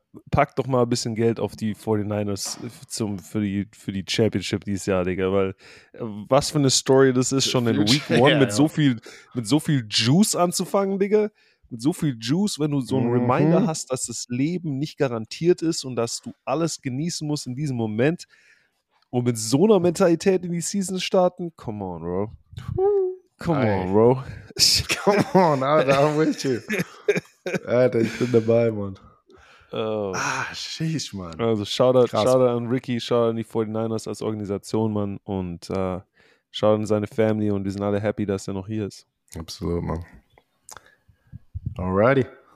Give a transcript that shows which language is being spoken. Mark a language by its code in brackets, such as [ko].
[de] Pack doch mal ein bisschen Geld auf die 49ers für die Championship dieses Jahr, Digga, weil was für eine Story das ist, schon in Week 1 mit so viel Juice anzufangen, Digga. Mit so viel Juice, wenn du so einen Reminder hast, dass das Leben nicht garantiert ist und dass du alles genießen musst in diesem Moment und mit so einer Mentalität in die Season starten, [en] come on, bro. Come on, bro. Come on, Alter, I'm with you. [de] Alter, ich bin dabei, Mann. Sheesh, Mann. Also, shout out an Ricky, shout out an die 49ers als Organisation, Mann, und shout out an seine Family und wir sind alle happy, dass er noch hier ist. Absolut, Mann. Alrighty.